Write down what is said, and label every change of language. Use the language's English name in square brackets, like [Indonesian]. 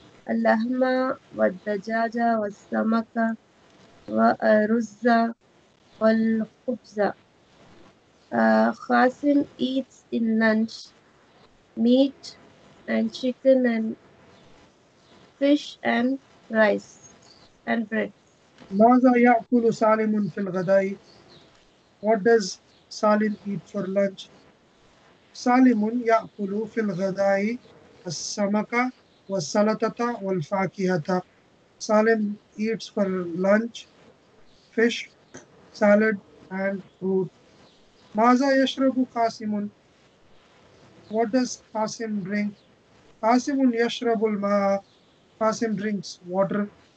[Arabic] اللحم والدجاج والسمك والرز والخبز. [English] Qasim eats in lunch meat and chicken and fish and rice and bread. [Arabic] ماذا يأكل سالم في الغداء? [English] What does Salim eat for lunch? [Arabic] سالم يأكل في الغداء السمك وَالسَّلَطَةَ وَالْفَاكِهَةَ. [English] Salim eats for lunch fish, salad, and fruit. [Arabic] مَاذَا يَشْرَبُ قَاسِمٌ? [English] What does Qasim drink? [Arabic] قَاسِمٌ يَشْرَبُ الْمَاءَ. [English] Qasim drinks water.